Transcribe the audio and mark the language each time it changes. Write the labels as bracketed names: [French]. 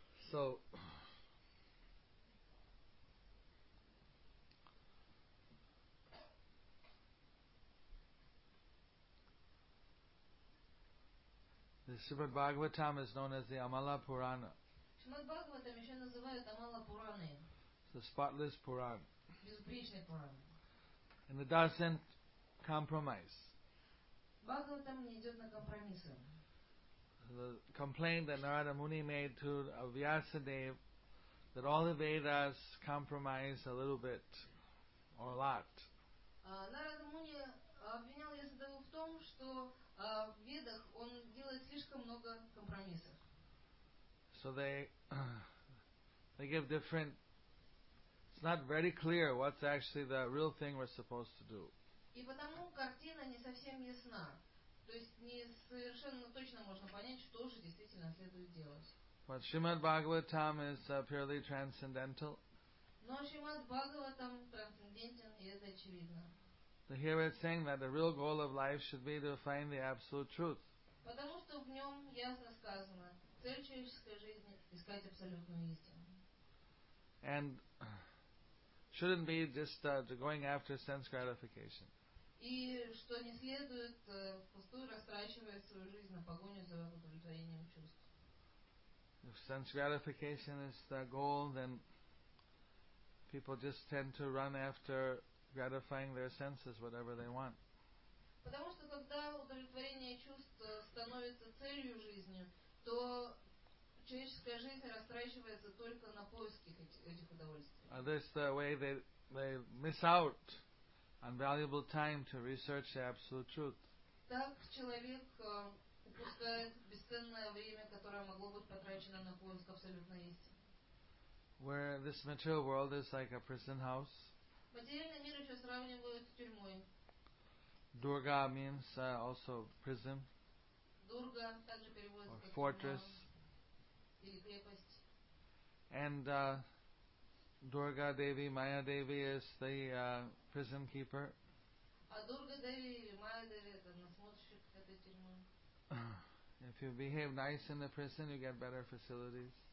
[English] So, the Srimad Bhagavatam is known as the Amala Purana. [Russian] Шримад-Бхагаватам еще называют Амала Пураной. [English] It's a spotless Puran. [Russian] Безупречный Пуран. [English] And it doesn't compromise. [Russian] Бхагаватам не идет на компромиссы. [English] The complaint that Narada Muni made to Vyasadeva that all the Vedas compromise a little bit or a lot. [Russian] Нарада Муни обвинял Ясадеву в том, что в Ведах он делает слишком много компромиссов. [English] So they give different, it's not very clear what's actually the real thing we're supposed to do. [Russian] И потому картина не совсем ясна. То есть не совершенно точно можно понять, что же действительно следует делать. [English] But Srimad Bhagavatam is purely transcendental. [Russian] Но Srimad Bhagavatam трансцендентен, и это очевидно. [English] So here it's saying that the real goal of life should be to find the absolute truth. [Russian] Потому что в нем ясно сказано, цель человеческой жизни – искать абсолютную истину. [English] And shouldn't be just going after sense gratification. [Russian] И что не следует впустую растрачивать свою жизнь на погоню за удовлетворением чувств. [English] If sense gratification is the goal, then people just tend to run after gratifying their senses, whatever they want. [Russian] Потому что когда удовлетворение чувств становится целью жизни, то человеческая жизнь растрачивается только на поиски этих удовольствий. [English] This is the way they miss out on valuable time to research the absolute truth. [Russian] Так человек упускает бесценное время, которое могло быть потрачено на поиск абсолютной истины. [English] Where this material world is like a prison house. [Russian] Материальный мир еще сравнивают с тюрьмой. [English] Дурга means also prison. [Russian] Дурга также переводится как [English] fortress. [Russian] Или крепость. [English] And Durga Devi, Maya Devi is the prison keeper. If you behave nice in the prison, you get better facilities.